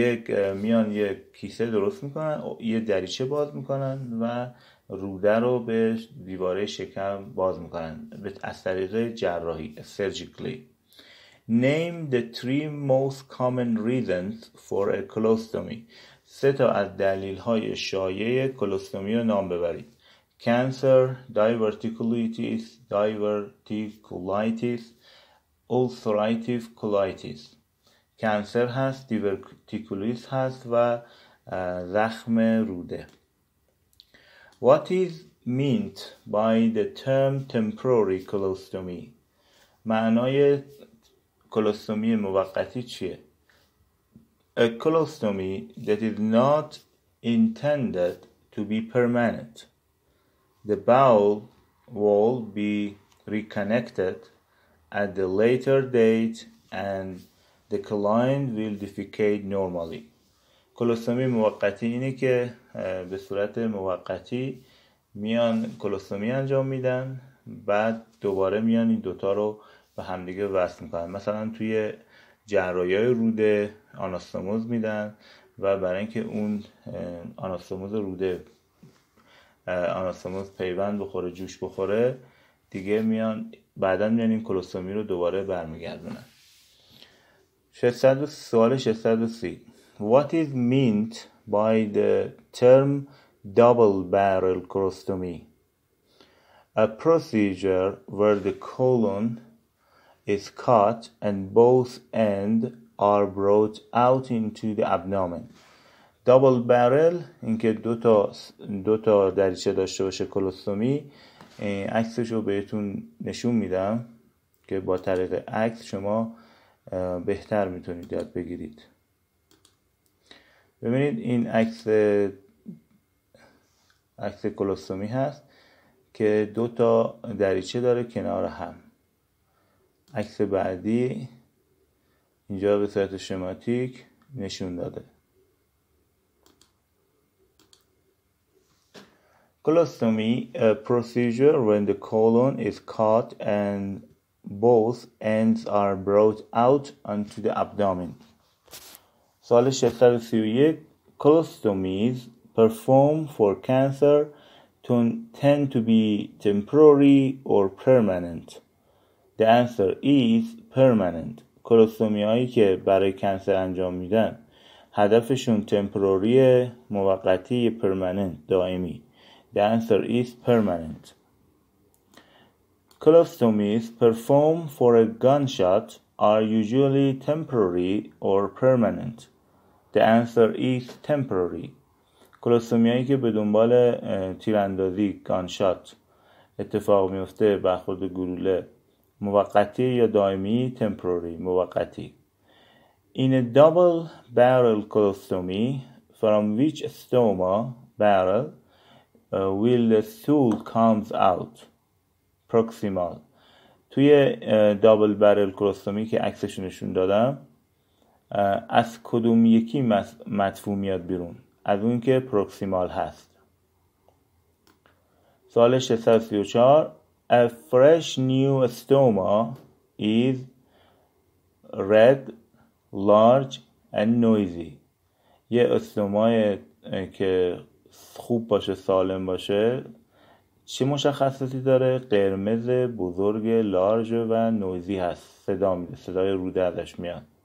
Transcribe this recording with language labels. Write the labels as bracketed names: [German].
[Persian] یک کیسه درست میکنن، یه دریچه باز میکنن و روده رو به دیواره شکم باز میکنن از طریق جراحی. [English] Surgically. Name the three most common reasons for a colostomy. [Persian] سه تا از دلیل‌های شایع کلوستومی رو نام ببرید. [English] Cancer, diverticulitis, diverticulitis, ulcerative colitis. [Persian] Cancer هست، diverticulitis هست و زخم روده. [English] What is meant by the term temporary colostomy? [Persian] معنای کلوستومی موقتی چیه؟ [English] A colostomy that is not intended to be permanent. The bowel will be reconnected at the later date and the colon will defecate normally. [Persian] کلوستومی موقتی اینه که به صورت موقتی میان کلوستومی انجام میدن، بعد دوباره میان این دوتا رو به همدیگه وصل میکنن. مثلا توی جراحی‌های روده آناستوموز میدن و برای اینکه اون آناستوموز روده آناستوموز پیوند بخوره، جوش بخوره، دیگه میان بعدن میان این کلوستومی رو دوباره برمیگردونن. سوال 630. [English] What is meant by the term double barrel colostomy? A procedure where the colon is cut and both ends are brought out into the abdomen. [Persian] Double barrel این که دوتا دریچه داشته باشه کلوستومی، عکسش رو بهتون نشون میدم که با طریق عکس شما بهتر میتونید یاد بگیرید. ببینید این عکس کلوستومی هست که دوتا دریچه داره کنار هم. عکس بعدی اینجا به صورت شماتیک نشون داده. [English] Colostomy, a procedure when the colon is cut and both ends are brought out onto the abdomen. [Persian] سوال 631. [English] Colostomies performed for cancer tend to be temporary or permanent. The answer is permanent. [Persian] کلوستومی هایی که برای کانسر انجام میدن هدفشون تمپروری، موقتی، پرمننت، دائمی. [English] The answer is permanent. Colostomies performed for a gunshot are usually temporary or permanent. The answer is temporary. [Persian] کلوستومی هایی که به دنبال تیراندازی گانشات اتفاق میفته، برخورد گلوله، موقتی یا دائمی؟ temporary، موقتی. [English] In a double barrel colostomy from which stoma barrel will the stool comes out proximal. [Persian] توی double barrel colostomy که عکسش نشون دادم، از کدوم یکی مدفوع میاد بیرون؟ از اون که proximal هست. سوال 634. [English] A fresh new stoma is red, large and noisy. [Persian] یه استومای که خوب باشه، سالم باشه، چه مشخصاتی داره؟ قرمز، بزرگ، لارج و نویزی هست. صدا میده، صدای روده ازش میاد.